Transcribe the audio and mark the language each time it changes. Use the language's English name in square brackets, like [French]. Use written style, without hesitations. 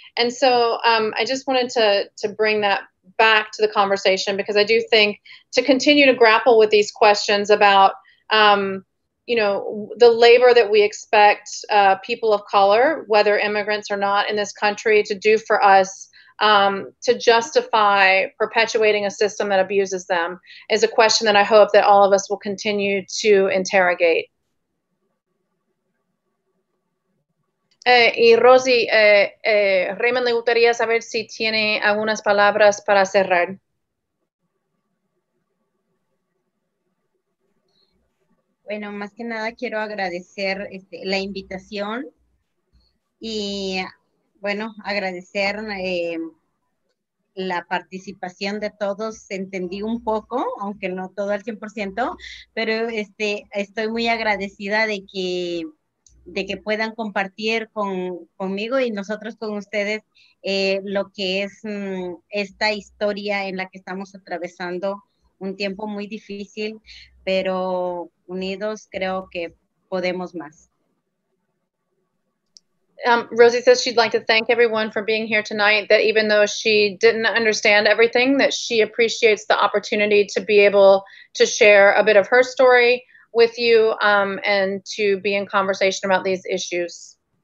[English] And so I just wanted to bring that back to the conversation, because I do think to continue to grapple with these questions about the labor that we expect people of color, whether immigrants or not, in this country to do for us to justify perpetuating a system that abuses them is a question that I hope that all of us will continue to interrogate. [Spanish] Y Rosy, Raymond, le gustaría saber si tiene algunas palabras para cerrar. Bueno, más que nada quiero agradecer la invitación y, bueno, agradecer la participación de todos. Entendí un poco, aunque no todo al 100%, pero estoy muy agradecida de que puedan compartir conmigo y nosotros con ustedes lo que es esta historia en la que estamos atravesando un tiempo muy difícil, pero unidos creo que podemos más. [English] Rosy says she'd like to thank everyone for being here tonight, that even though she didn't understand everything, that she appreciates the opportunity to be able to share a bit of her story with you and to be in conversation about these issues.